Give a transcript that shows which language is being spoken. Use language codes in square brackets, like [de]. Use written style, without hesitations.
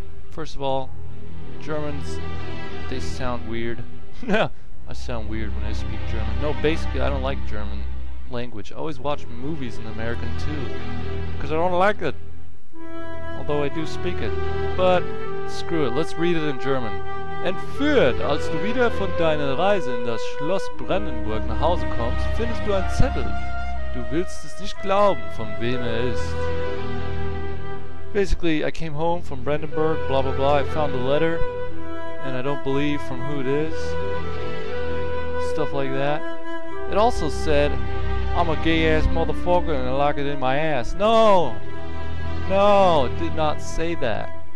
[en] First of all, Germans, they sound weird. I sound weird when I speak German. No, basically, I don't like German language. I always watch movies in American, too, because I don't like it. Although I do speak it. But screw it, let's read it in German. [de] Entführt, als du wieder von deiner Reise in das Schloss Brandenburg nach Hause kommst, findest du einen Zettel. Du willst es nicht glauben, von wem er ist. [en] Basically, I came home from Brandenburg, blah blah blah, I found the letter, and I don't believe from who it is. Stuff like that. It also said, I'm a gay ass motherfucker and I lock it in my ass. No! No, it did not say that.